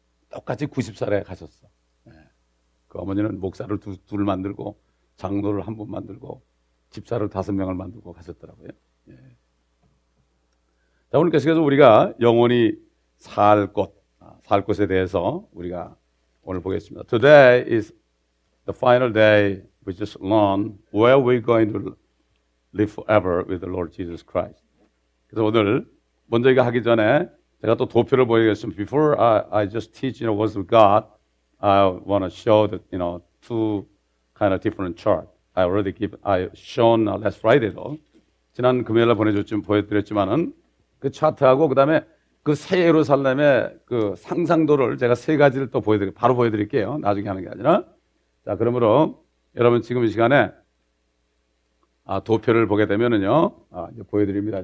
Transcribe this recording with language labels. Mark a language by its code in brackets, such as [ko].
[ko] 똑같이 90살에 가셨어. 예. 그 어머니는 목사를 둘 만들고 장로를 한 분 만들고 집사를 5명을 만들고 가셨더라고요. 예. 자, 오늘 계속해서 우리가 영원히 살 곳, 살 곳에 대해서 우리가 오늘 보겠습니다. [en] Today is the final day we just learned where we're going to live forever with the Lord Jesus Christ. [ko] 그래서 오늘 먼저 이거 하기 전에 제가 또 도표를 보여드리겠습니다. [en] Before I just teach the words of God, I want to show that, you know, two kind of different chart. I shown last Friday though. [ko] 지난 금요일에 보여드렸지만은 그 차트하고 그 다음에 그 새 예루살렘의 그 상상도를 제가 세 가지를 또 바로 보여드릴게요. 나중에 하는 게 아니라. 자, 그러므로 여러분 지금 이 시간에 도표를 보게 되면은요. 이제 보여드립니다.